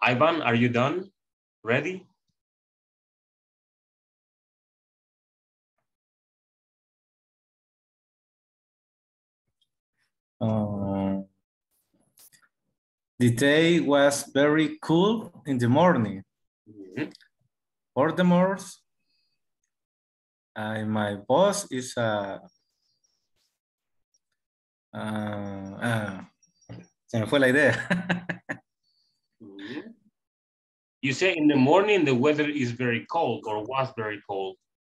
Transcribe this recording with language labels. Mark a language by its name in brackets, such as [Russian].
[English] Ivan, are you done? Ready? The day was very cool in the morning. Mm-hmm. Furthermore, my boss is [Spanish] se me fue la idea. [English] You say in the morning the weather is very cold or was very cold.